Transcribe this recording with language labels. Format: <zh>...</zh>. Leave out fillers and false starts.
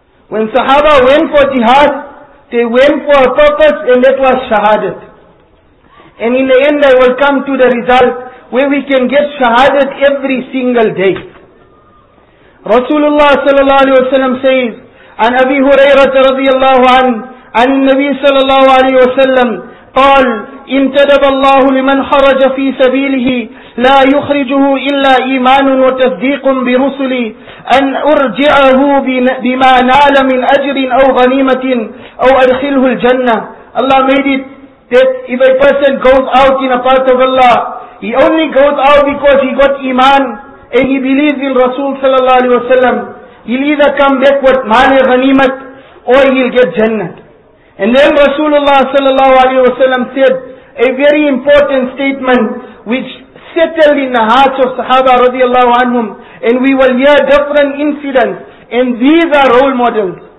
<en>When Sahaba went for jihad, they went for a purpose and that was shahadat. And in the end I will come to the result where we can get shahadat every single day. Rasulullah sallallahu alayhi wa sallam says,</en> <ar>عن أبي هريرة رضي الله عنه عن النبي صلى الله عليه وسلم قال امتدب الله لمن خرج في سبيله لا يخرجه إلا إيمان وتصديق برسلي أن أرجعه بما نال من أجر أو غنيمة أو أدخله الجنة.</ar> <en>Allah made it that if a person goes out in a path of Allah, he only goes out because he got iman and he believes in Rasul sallallahu alaihi wasallam. He'll either come back with mani ghanimat or he'll get jannah. And then Rasulullah sallallahu alaihi wasallam said a very important statement which settled in the hearts of Sahaba radiallahu anhum, and we will hear different incidents, and these are role models.</en>